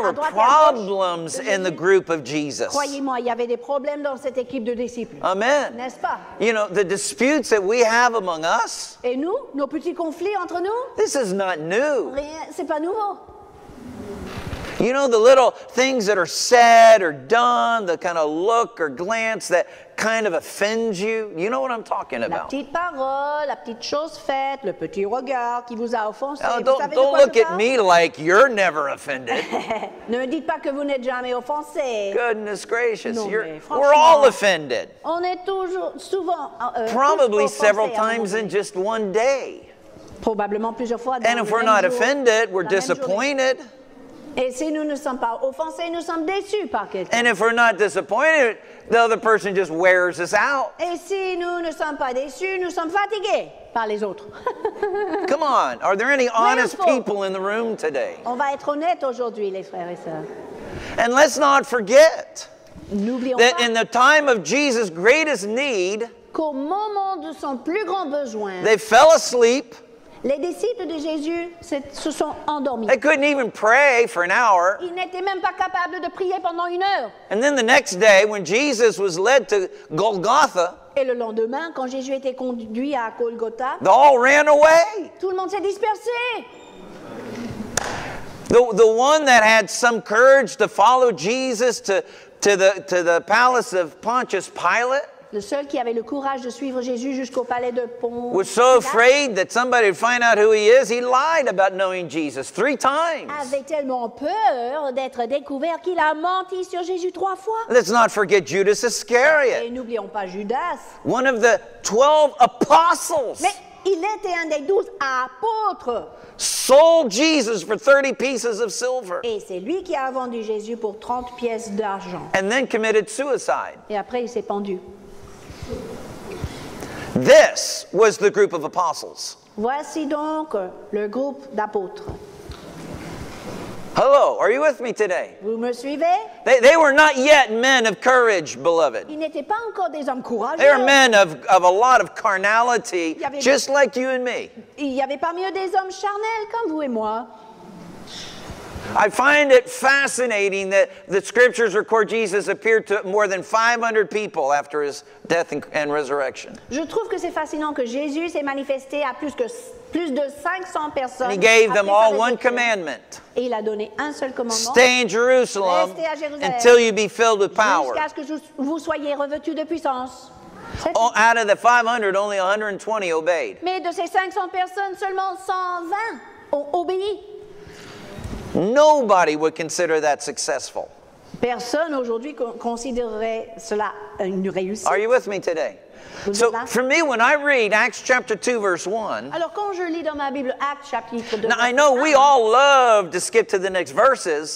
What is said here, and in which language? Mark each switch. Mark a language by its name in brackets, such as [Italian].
[English] Brother, there were problems in the group of Jesus. [French] Croyez-moi, il y avait des problèmes dans cette équipe de disciples. Amen. N'est-ce pas? [English] You know, the disputes that we have among us. [French] Et nous, nos petits conflits entre nous? [English] This is not new. [French] Rien, c'est pas nouveau. [English] You know, the little things that are said or done, the kind of look or glance that kind of offends you. You know what I'm talking about. [French] La petite parole, la petite chose faite, le petit regard qui vous a offensé. [English] Now, don't look at me like you're never offended. [French] Ne me dites pas que vous n'êtes jamais offensé. [English] Goodness gracious, [French] non, [English] we're all offended. [French] On est toujours, souvent, [English] probably several times in just one day. [French] Probablement plusieurs fois dans [English] And if we're not offended, we're disappointed. [French] Et si nous ne sommes pas offensés, nous sommes déçus par quelqu'un. [English] And if we're not disappointed, the other person just wears us out. [French] Et si nous ne sommes pas déçus, nous sommes fatigués par les autres. [English] Come on, are there any honest people in the room today? [French] On va être honnêtes aujourd'hui, les frères et sœurs. [English] And let's not forget [French] N'oublions [English] that [French] pas [English] in the time of Jesus' greatest need, [French] qu'au moment de son plus grand besoin, [English] they fell asleep. [French] Les disciples de Jésus se sont endormis. [English] They couldn't even pray for an hour. [French] Ils n'étaient même pas capables de prier pendant une heure. [English] And then the next day, when Jesus was led to Golgotha, [French] et le lendemain, quand Jésus était conduit à Golgotha, [English] they all ran away. [French] Tout le monde s'est dispersé. [English] The one that had some courage to follow Jesus to the palace of Pontius Pilate. [French] Le seul qui avait le courage de suivre Jésus jusqu'au palais de Pont. [English] Was so afraid that somebody would find out who he is, he lied about knowing Jesus three times. [French] Avait tellement peur d'être découvert qu'il a menti sur Jésus trois fois. [English] Let's not forget Judas Iscariot. [French] Et n'oublions pas Judas. [English] One of the 12 apostles. [French] Mais il était un des 12 apôtres. [English] Sold Jesus for 30 pieces of silver. [French] Et c'est lui qui a vendu Jésus pour 30 pièces d'argent. [English] And then committed suicide. [French] Et après il s'est pendu. [English] This was the group of apostles. [French] Voici donc le groupe d'apôtres. [English] Hello, are you with me today? [French] Vous me suivez? [English] They were not yet men of courage, beloved. [French] Ils n'étaient pas encore des hommes courageux. [English] They were men of a lot of carnality, just like you and me. [French] Il y avait parmi eux des hommes charnels comme vous et moi. [English] I find it fascinating that the scriptures record Jesus appeared to more than 500 people after his death and resurrection. [French] Je trouve que c'est fascinant que Jésus s'est manifesté à plus de 500 personnes. [English] He gave them all one commandment. [French] Et il a donné un seul commandement. [English] Stay in Jerusalem, [French] restez à Jérusalem [English] until you be filled with power. [French] Jusqu'à ce que vous soyez revêtus de puissance. [English] Oh, out of the 500, only 120 obeyed. [French] Mais de ces 500 personnes, seulement 120 ont obéi. [English] Nobody would consider that successful. [French] Personne aujourd'hui considérerait cela une réussite. [English] Are you with me today? [French] Vous [English] so [French] êtes là? [English] For me, when I read Acts chapter 2, verse 1, [French] alors quand je lis dans ma Bible Acts chapitre 2, [English] now I know we all love to skip to the next verses.